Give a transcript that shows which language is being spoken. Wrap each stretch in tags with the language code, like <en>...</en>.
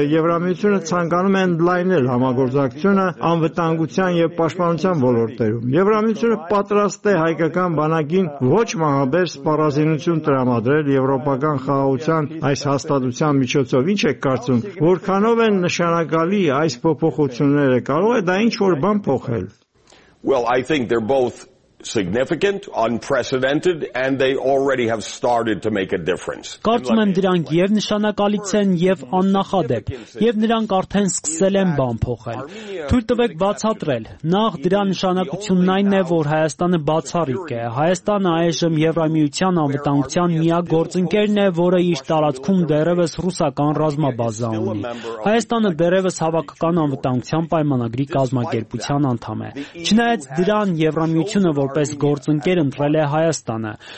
<hy>Եվրամիությունը ցանկանում է ընդլայնել համագործակցությունը անվտանգության և պաշտպանության ոլորտներում։ Եվրամիությունը պատրաստ է հայկական բանակին ոչ մահաբեր սպառազինություն տրամադրել Եվրոպական խաղաղության այս հաստատության միջոցով։ Ինչ եք կարծում, որքանով են նշանակալի այս փոփոխությունները, կարող է դա ինչ-որ բան փոխել։</hy> <en>Well, I think they're both significant, unprecedented, and they already have started to make a difference.</en> <hy>Կարծում եմ դրանք եւ նշանակալից են եւ աննախադեպ, եւ նրանք արդեն սկսել են բան փոխել։ Թույլ տվեք բացատրել։ Նախ դրա նշանակությունն այն է, որ Հայաստանը բացառիկ է։ Հայաստանը այժմ Եվրամիության անվտանգության միակ գործընկերն է, որը իր տարածքում դեռևս ռուսական ռազմաբազա ունի։ Հայաստանը դեռևս հավաքական անվտանգության պայմանագրի կազմակերպության անդամ է։ Չնայած դրան Եվրամիությունը որպես գործընկեր ընտրել է Հայաստանը։</hy>